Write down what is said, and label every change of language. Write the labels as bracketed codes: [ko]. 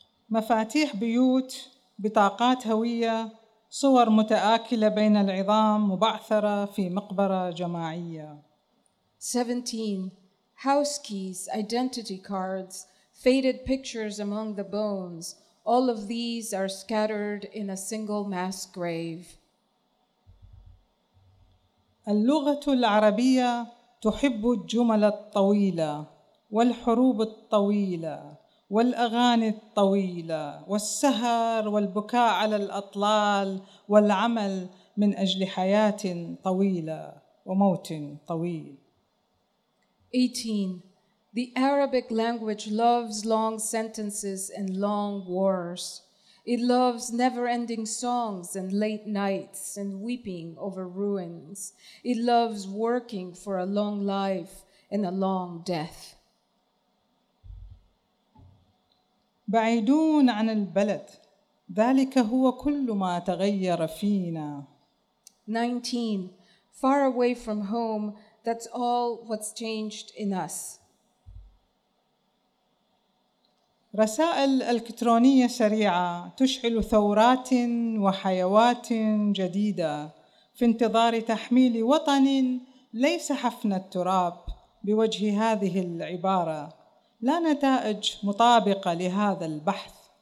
[ar] مفاتيح بيوت بطاقات هوية صور متآكلة بين العظام مبعثرة في مقبرة جماعية. [en] 17. House keys, identity cards, faded pictures among the bones. All of these are scattered in a single mass grave. [ar] اللغة العربية تحب الجمل الطويلة والحروب الطويلة والأغاني الطويلة والسهر والبكاء على الأطلال والعمل من أجل حياة طويلة وموت طويل. [en] 18. The Arabic language loves long sentences and long wars. It loves never-ending songs and late nights and weeping over ruins. It loves working for a long life and a long death. [ar] بعيدون عن البلد ذلك هو كل ما تغير فينا. [en] 19. Far away from home, that's all what's changed in us. [ar] رسائل الكترونية سريعة تشعل ثورات وحيوات جديدة في انتظار تحميل وطن ليس حفن التراب بوجه هذه العبارة لا نتائج مطابقة لهذا البحث.